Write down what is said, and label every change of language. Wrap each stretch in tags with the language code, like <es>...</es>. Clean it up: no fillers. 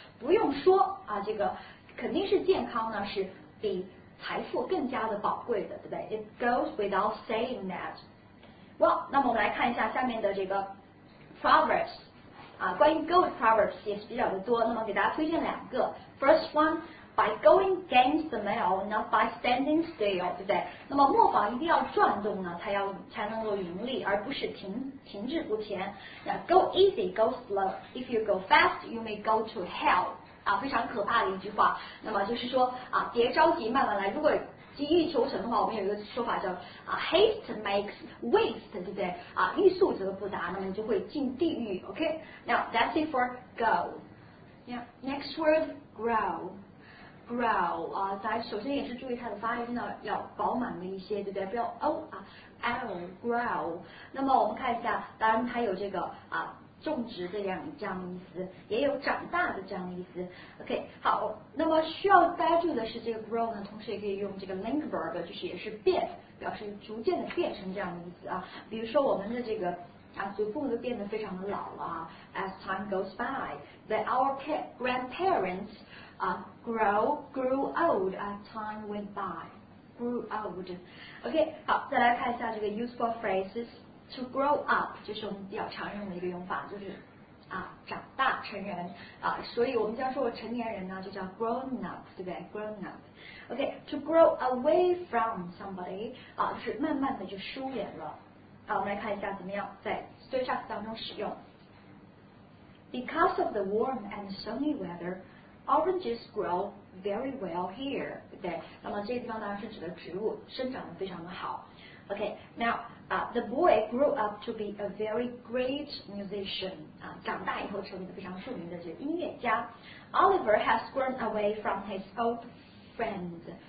<zh>不用说啊，这个肯定是健康呢，是比财富更加的宝贵的，对不对 ？</zh> <en>It goes without saying that.</en> <zh>Well, 那么我们来看一下下面的这个 proverbs. 啊，关于 go with proverbs 也是比较的多。那么给大家推荐两个。</zh> <en>First one, by going against the mill, not by standing still,</en> <zh>对不对？那么磨坊一定要转动呢，才能够盈利，而不是停滞不前。</zh> <en>那 go easy, go slow. If you go fast, you may go to hell.</en> <zh>啊，非常可怕的一句话。那么就是说啊，别着急，慢慢来。如果急于求成的话，我们有一个说法叫啊 ，</zh> <en>haste makes waste，</en> <zh>对不对？啊，欲速则不达，那么你就会进地狱。</zh> <en>OK, now that's it for go. Yeah, next word, grow.</en> <zh>Grow 啊，大家首先也是注意它的发音呢，要饱满的一些，对不对？不要 o 啊 ，l grow。那么我们看一下，当然它有这个啊种植的这样意思，也有长大的这样的意思。 OK， 好，那么需要大家注意的是，这个 grow 呢，同时也可以用这个 link verb， 就是也是变，表示逐渐的变成这样的意思啊。比如说我们的这个。啊，祖父母都变得非常的老了。</zh> <en>As time goes by, that our grandparents grew old as time went by. Grew old. OK,</en> <zh>好，再来看一下这个</zh> <en>useful phrases.</en> <zh>To grow up 就是我们比较常用的一个用法，就是啊长大成人啊，所以我们将说成年人呢就叫 grown up， 对不对 ？grown up。</zh> <en>OK, to grow away from somebody</en> <zh>啊，就是慢慢的就疏远了。好，我们来看一下怎么样在 street talks 当中使用。</zh> <en>Because of the warm and sunny weather, oranges grow very well here.</en> <zh>对，那么这个地方当然是指的植物生长得非常的好。</zh> <en>OK, now, the boy grew up to be a very great musician.</en> <zh>啊，长大以后成为了非常著名的这个音乐家。</zh> <en>Oliver has grown away from his old friend.</en>